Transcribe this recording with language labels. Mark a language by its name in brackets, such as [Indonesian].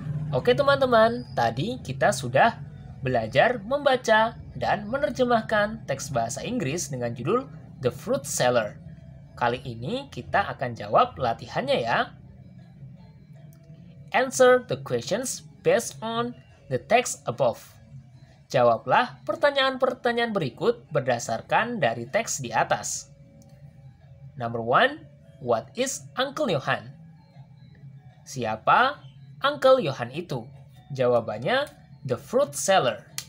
[Indonesian] Oke teman-teman, tadi kita sudah belajar membaca dan menerjemahkan teks bahasa Inggris dengan judul The Fruit Seller. Kali ini kita akan jawab latihannya ya. [English] Answer the questions based on the text above. [Indonesian] Jawablah pertanyaan-pertanyaan berikut berdasarkan dari teks di atas. [English] Number one, what is Uncle Johan? [Indonesian] Siapa Uncle Johan itu? Jawabannya, [English] the fruit seller.